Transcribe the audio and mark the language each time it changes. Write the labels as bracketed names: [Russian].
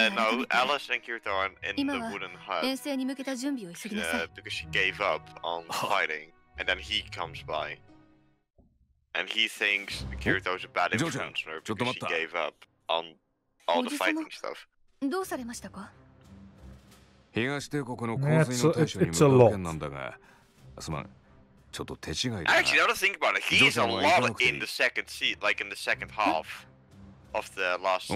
[English] No, Alice and Kirito are in the wooden hut. Because she gave up on fighting, and then he comes by, and he thinks Kirito is a bad influence because she gave up on all the fighting stuff. [Japanese] どうされましたか？東帝国の洪水の対処に向かう件なんだが、すまん、ちょっと手違いだな。 [English] Actually, now that I think about it, he's a lot in the second seat, like in the second half of the last season.